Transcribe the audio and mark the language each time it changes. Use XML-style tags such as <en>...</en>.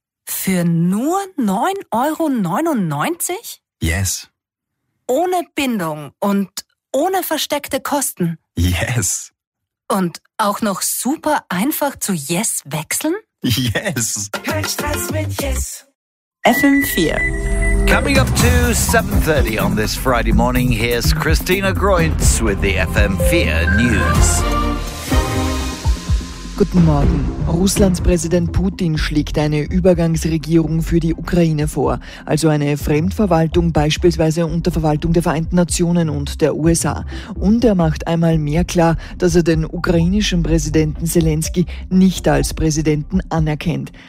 <de>Für nur 9,99 €?</de> <en>Yes.</en> <de>Ohne Bindung und ohne versteckte Kosten?</de> <en>Yes.</en> <de>Und auch noch super einfach zu Yes wechseln?</de> <en>Yes.</en> <de>Kein Stress mit Yes. FM4.</de> <en>Coming up to 7:30 on this Friday morning, here's Christina Greutz with the FM4 News.</en> <de>Guten Morgen. Russlands Präsident Putin schlägt eine Übergangsregierung für die Ukraine vor, also eine Fremdverwaltung, beispielsweise unter Verwaltung der Vereinten Nationen und der USA. Und er macht einmal mehr klar, dass er den ukrainischen Präsidenten Selenskyj nicht als Präsidenten anerkennt.</de>